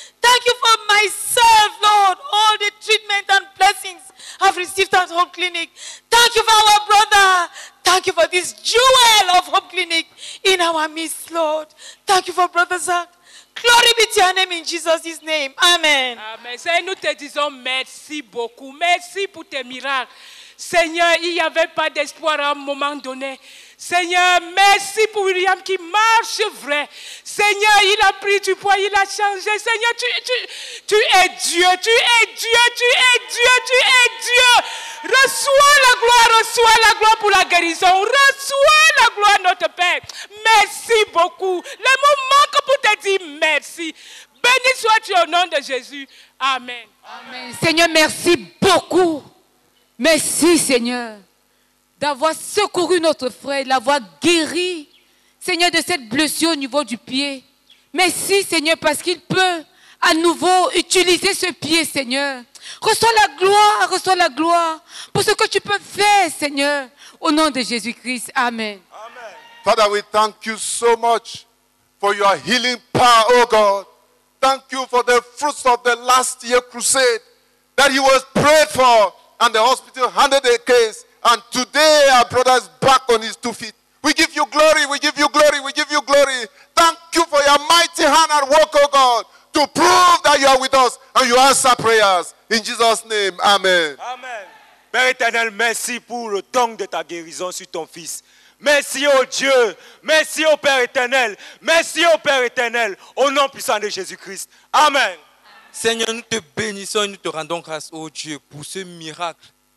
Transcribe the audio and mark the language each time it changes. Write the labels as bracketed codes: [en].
[en] Thank you for myself, Lord, all the treatment and blessings I've received at Hope Clinic. Thank you for our brother. Thank you for this jewel of Hope Clinic in our midst, Lord. Thank you for Brother Zach. Glory be to your name in Jesus' name. Amen. [fr] Amen. Seigneur, nous te disons merci beaucoup. Merci pour tes miracles. Seigneur, il n'y avait pas d'espoir à un moment donné. Seigneur, merci pour William qui marche vrai. Seigneur, il a pris du poids, il a changé. Seigneur, tu es Dieu, tu es Dieu, tu es Dieu, tu es Dieu. Reçois la gloire pour la guérison. Reçois la gloire, notre Père. Merci beaucoup. Le mot manque pour te dire merci. Béni sois-tu au nom de Jésus. Amen. Amen. Seigneur, merci beaucoup. Merci, Seigneur, d'avoir secouru notre frère, l'avoir guéri, Seigneur, de cette blessure au niveau du pied. Merci, Seigneur, parce qu'il peut à nouveau utiliser ce pied, Seigneur. Reçois la gloire, reçois la gloire pour ce que tu peux faire, Seigneur, au nom de Jésus-Christ. Amen. Amen. [en] Father, we thank you so much for your healing power, oh God. Thank you for the fruits of the last year crusade that you was prayed for and the hospital handed the case. And today our brother is back on his 2 feet. We give you glory, we give you glory, we give you glory. Thank you for your mighty hand at work, oh God, to prove that you are with us and you answer prayers. In Jesus' name, amen. Amen. [fr] Père éternel, merci pour le don de ta guérison sur ton fils. Merci au Dieu, merci au Père éternel, merci au Père éternel, au nom puissant de Jésus-Christ. Amen. Seigneur, nous te bénissons et nous te rendons grâce, ô Dieu, pour ce miracle.